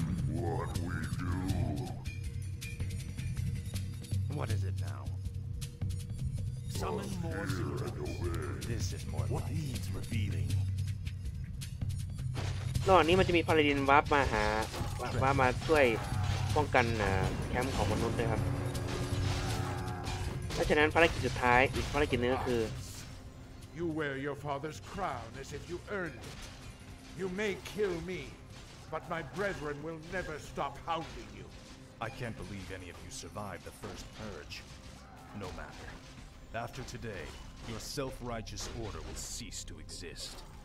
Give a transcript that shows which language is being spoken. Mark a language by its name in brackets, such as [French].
[Thai] What we do What is it now Summon more Sultan This is more What needs revealing รอบนี้มันจะมีพาราดินวาร์ปมาหาวาร์ปมาช่วยป้องกันแคมป์ของมนุษย์ด้วยครับเพราะฉะนั้นภารกิจสุดท้ายอีกภารกิจนึงก็คือ [English] You wear your father's crown as if you earned it. You may kill me, but my brethren will never stop hounding you. I can't believe any of you survived the first purge. No matter. After today, your self-righteous order will cease to exist.